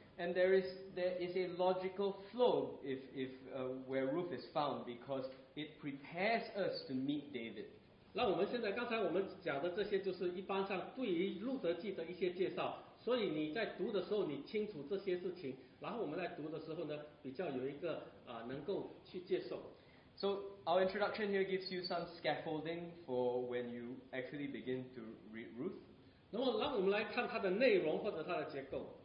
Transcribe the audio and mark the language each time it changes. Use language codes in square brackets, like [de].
[en] And there is a logical flow if where Ruth is found because it prepares us to meet David. [zh] 那我们现在刚才我们讲的这些就是一般上对于路德记的一些介绍。所以你在读的时候，你清楚这些事情，然后我们来读的时候呢，比较有一个能够去接受。 [en] So our introduction here gives you some scaffolding for when you actually begin to read Ruth. [zh] 那么让我们来看它的内容或者它的结构。